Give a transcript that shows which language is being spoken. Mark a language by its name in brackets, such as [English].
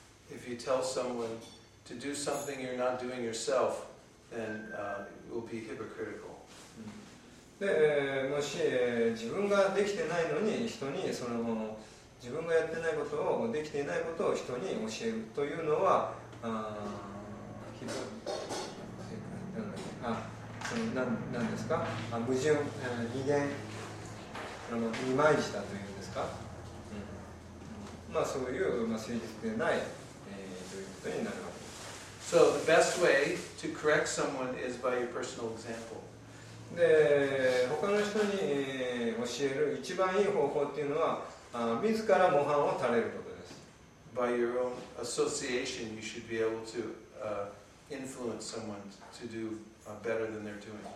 [English] If you tell someone to do something you're not doing yourself, then it will be hypocritical. [Japanese] で、もし自分ができてないのに人にその自分がやってないことをできていないことを人に教えるというのは、何ですか？矛盾、異言。二枚舌というんですか、うん、まあそういう、まあ、誠実でない、ということになるわけです。 [English] So the best way to correct someone is by your personal example. [Japanese] で、他の人に、教える一番いい方法っていうのは、自ら模範を垂れることです。 [English] By your own association, you should be able to, influence someone to do, better than they're doing.